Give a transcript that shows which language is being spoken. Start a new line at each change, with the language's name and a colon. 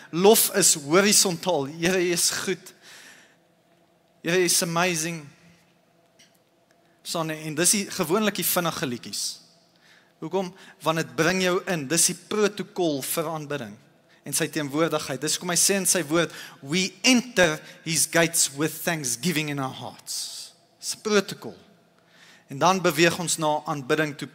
Afrikaans: Lof is horisontaal. Here is goed. Here is amazing. Sonne, en dis die gewoonlik die vinnige liedjies. Hoekom? Want dit bring jou in. Dis die protokol vir aanbidding en sy teenwoordigheid. Dis kom hy sê in sy woord,
English: we enter his gates with thanksgiving in our hearts.
Afrikaans: Dis protokol. En dan beweeg ons na aanbidding toe.